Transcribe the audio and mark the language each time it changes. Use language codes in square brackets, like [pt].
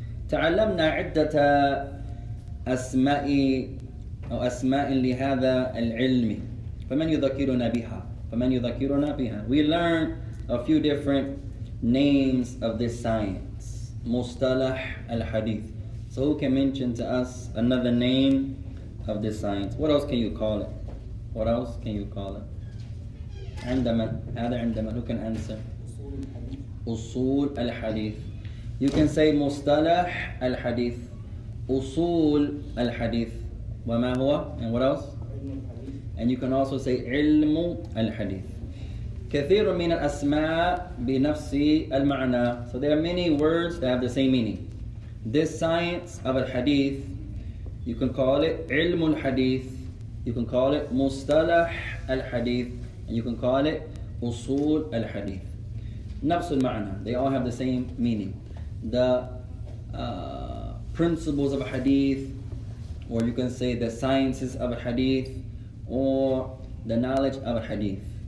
[ar] تعلمنا عدة أسماء أو أسماء لهذا العلم فمن يذكرنا بها. فَمَنْ يُذَكِّرُنَا بِهَا. [en] We learned a few different names of this science. [ar] مُصْطَلَحْ الْحَدِيثِ. [en] So who can mention to us another name of this science? What else can you call it? What else can you call it? عندما, who can answer? [ar] أصول الحديث. [en] You can say [ar] مصطلح الحديث. أصول الحديث. وما هو? [en] And what else? And you can also say علم الحديث. [ar] كثير من الأسماء بنفس المعنى. [en] So there are many words that have the same meaning. This science of al-hadith, you can call it ilm al-hadith, you can call it mustalah al-hadith, and you can call it usul al-hadith. Nafs al-ma'na, they all have the same meaning. The principles of al-hadith, or you can say the sciences of al-hadith, or the knowledge of al-hadith.